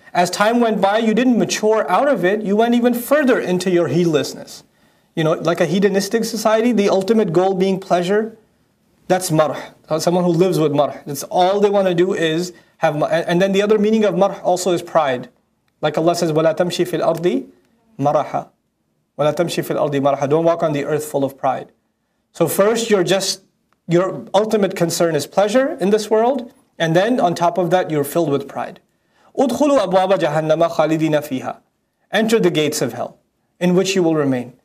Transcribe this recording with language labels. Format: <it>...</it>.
<en>As time went by, you didn't mature out of it, you went even further into your heedlessness. You know, like a hedonistic society, the ultimate goal being pleasure, that's marh. Someone who lives with marh. That's all they want to do is have marh. And then the other meaning of marh also is pride. Like Allah says,</en> <ar>وَلَا تَمْشِي فِي الْأَرْضِ مَرَحَ. وَلَا تَمْشِي فِي الْأَرْضِ مَرَحَ.</ar> <en>Don't walk on the earth full of pride. So first, your ultimate concern is pleasure in this world. And then on top of that, you're filled with pride.</en> <ar>أُدْخُلُوا أَبْوَابَ جَهَنَّمَ خَالِدِينَ فِيهَا.</ar> <en>Enter the gates of hell, in which you will remain.</en>